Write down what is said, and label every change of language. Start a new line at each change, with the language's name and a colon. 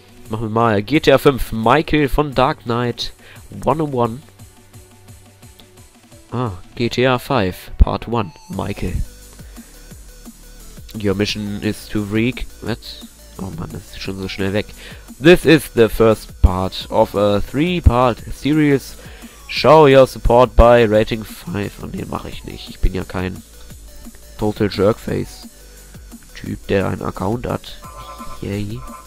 German: Machen wir mal GTA 5 Michael von Dark Knight 101. Ah, GTA 5 Part 1 Michael.
English: Your mission is to wreak. What?
German: Oh man, das ist schon so schnell weg.
English: This is the first part of a 3-part series. Show your support by rating 5.
German: Und den mache ich nicht. Ich bin ja kein Total Jerkface Typ, der einen Account hat. Yay.